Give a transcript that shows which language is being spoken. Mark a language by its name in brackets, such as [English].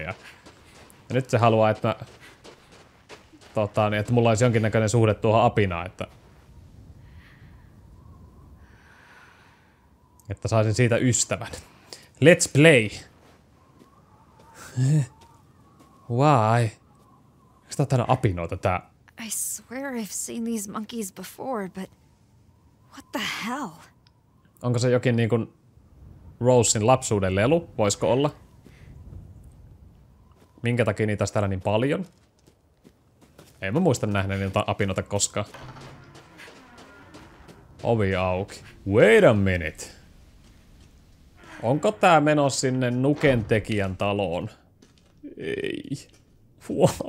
[Finnish] Ja nyt se haluaa, että mä, että mulla olisi jonkinnäköinen suhde tuohon apinaan, että saisin siitä ystävän. [English] Let's play! Why? [Finnish] Eikö tää tänä apinoita tää? [English] I swear I've seen these monkeys before, but what the hell? [Finnish] Onko se jokin niinkun Rosen lapsuuden lelu? Voisko olla? Minkä takia niitä olisi täällä niin paljon? En mä muista nähneeni jotain apinoita koskaan. Ovi auki. [English] Wait a minute! [Finnish] Onko tää meno sinne Nuken tekijän taloon? Ei. [English] Why?